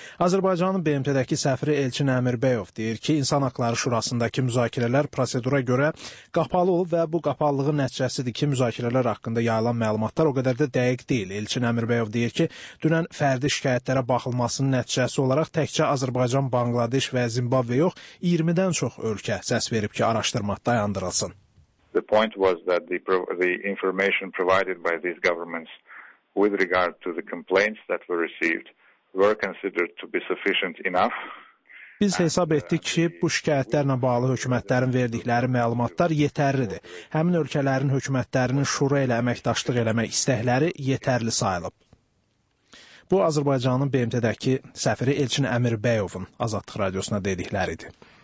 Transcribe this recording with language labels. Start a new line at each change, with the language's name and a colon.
Azerbaijani: Azərbaycanın BMT-dəki səfiri Elçin Əmirbəyov deyir ki, İnsan Haqları Şurasındakı müzakirələr prosedura görə qapalı olub və bu qapallığı nəticəsidir ki, müzakirələr haqqında yayılan məlumatlar o qədər də dəqiq deyil. Elçin Əmirbəyov deyir ki, dünən fərdi şikayətlərə baxılmasının nəticəsi olaraq təkcə Azərbaycan, Bangladeş və Zimbabwe yox, 20-dən çox ölkə səs verib ki, araşdırma dayandırılsın.
English: The point was that the information provided by these governments with regard to the complaints that were received were considered to be sufficient enough.
Azerbaijani: Biz hesab etdik ki, bu şikayətlərlə bağlı hökumətlərin verdikləri məlumatlar yetərlidir. Həmin ölkələrin hökumətlərinin şura ilə əməkdaşlıq eləmək istəkləri yetərli sayılıb. Bu, Azərbaycanın BMT-dəki səfiri Elçin Əmirbəyovun Azadlıq Radiosuna dedikləridir.